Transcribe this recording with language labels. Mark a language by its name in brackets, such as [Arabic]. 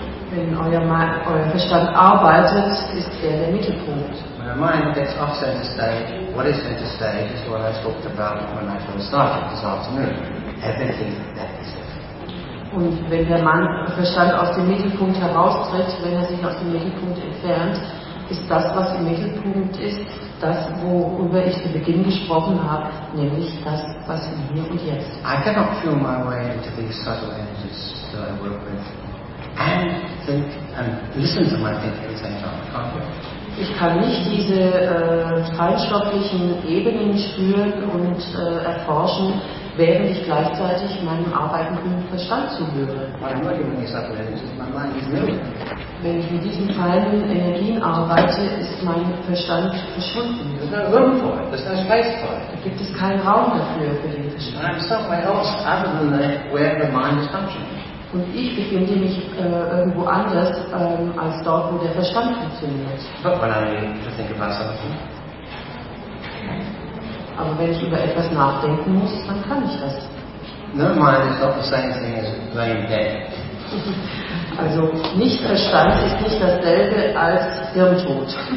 [German] Wenn euer Verstand arbeitet, ist er der Mittelpunkt. [English] When our mind gets off center stage, what is center stage is what I talked about when I first started this afternoon. Everything that is it. [German] Und wenn der Verstand aus dem Mittelpunkt heraustritt, wenn sich aus dem Mittelpunkt entfernt, ist das, was im Mittelpunkt ist, das, worüber ich zu Beginn gesprochen habe, nämlich das, was in hier und jetzt. [English] I cannot feel my way into these subtle energies that I work with and think and listen to my thinking at the same time. [German] Ich kann nicht diese feinstofflichen Ebenen spüren und erforschen, während ich gleichzeitig meinem arbeitenden Verstand zuhöre. Wenn ich mit diesen feinen Energien arbeite, ist mein Verstand verschwunden. Da gibt es keinen Raum dafür für den Verstand. Und ich befinde mich irgendwo anders als dort, wo der Verstand funktioniert. Aber wenn ich über etwas nachdenken muss, dann kann ich das. [English] No mind is not the same thing as brain dead. [German] Also nicht Verstand ist nicht dasselbe als Hirntod.